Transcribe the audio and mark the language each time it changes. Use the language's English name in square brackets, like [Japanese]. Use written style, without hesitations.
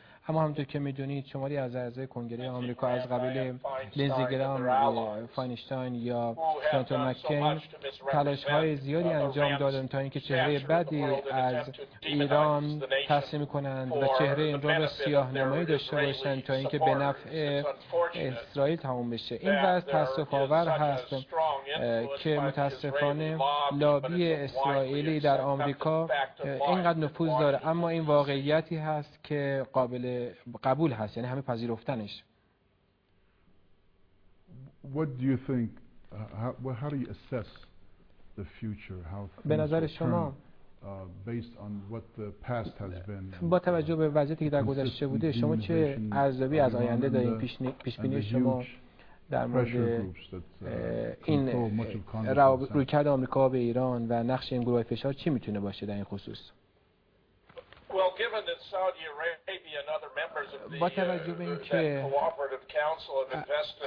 [Persian] اما همونطور که میدونید شماری از اعضای کنگره آمریکا از قبیل لینزی گرام و فاینشتاین یا سنتور مک‌کین تلاش های زیادی انجام دادند تا اینکه چهره بدی از ایران تصمیم کنند و چهره این رو سیاه نمایی داشته باشند تا اینکه به نفع اسرائیل تموم بشه. این وضع تاسف‌آور هست که متاسفانه لابی اسرائیلی در آمریکا اینقدر نفوذ داره، اما این واقعیتی هست که قبول هست، یعنی همه پذیرفتنش. [English] What do you think, how do you assess the future, how [Persian] به نظر شما [English] based on what the past has been. [Persian] با توجه به وضعیتی که در گذشته بوده شما چه ارزیابی از آینده دارید؟ پیش‌بینی شما در مورد این رویکرد آمریکا به ایران و نقش این گروه‌های فشار چی می‌تونه باشه در این خصوص؟ [English] Well, given that Saudi Arabia and other members of the cooperative council have invested